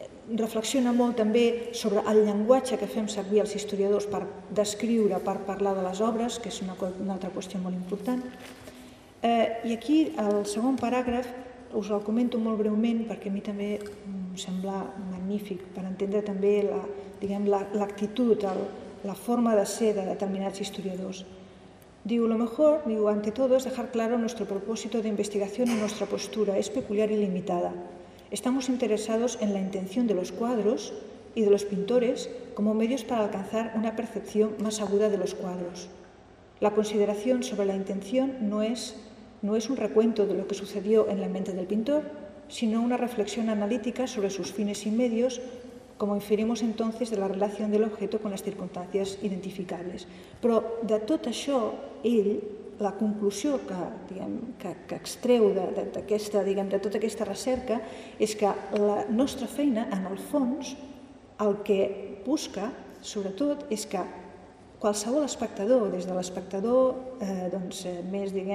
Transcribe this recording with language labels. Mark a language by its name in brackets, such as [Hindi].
[Catalan] Reflexiona molt també sobre el llenguatge que fem servir els historiadors per descriure, per parlar de les obres, que és una altra qüestió molt important. I aquí el segon paràgraf us el comento molt breument perquè a mi també em sembla magnífic per entendre també l'actitud, la forma de ser de determinats historiadors. [Spanish] Diu, lo mejor, digo, ante todo, es dejar claro nuestro propósito de investigación y nuestra postura, es peculiar y limitada. Estamos interesados en la intención de los cuadros y de los pintores como medios para alcanzar una percepción más aguda de los cuadros. La consideración sobre la intención no es un recuento de lo que sucedió en la mente del pintor, sino una reflexión analítica sobre sus fines y medios, como inferimos entonces de la relación del objeto con las circunstancias identificables. [Catalan] Però de tot això, ell, la conclusió que extreu de tota aquesta recerca és que la nostra feina, en el fons, el que busca, sobretot, és que qualsevol espectador, des de l'espectador més